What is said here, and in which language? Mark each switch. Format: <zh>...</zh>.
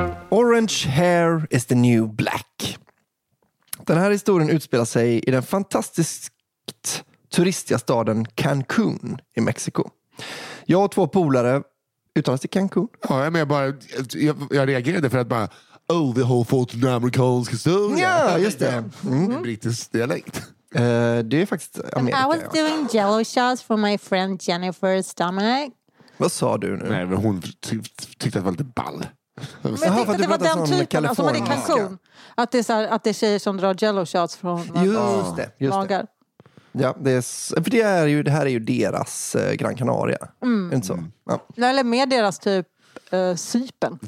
<en>Orange hair is the new black.</en> <sv>Den här historien utspelar sig i den fantastiskt turistiga staden Cancun i Mexiko. Jag och två polare uttalas till Cancun. Ja, men jag reagerade för att bara, oh, vi har fått en amerikansk historia. Ja, just det. En brittisk dialekt. Det är faktiskt Amerika.</sv> <en>I was doing jello shots for my friend Jennifer's stomach.</en> <sv>Vad sa du nu? Nej, men hon tyckte att det var lite ball. Men jag tyckte att det var den typen som hade Cancun. Att det är så här, att det är tjejer som drar jello shots från magar. Ja, det här är ju deras Gran Canaria. Mm. Inte så? Ja. Eller mer deras typ sypen.</sv>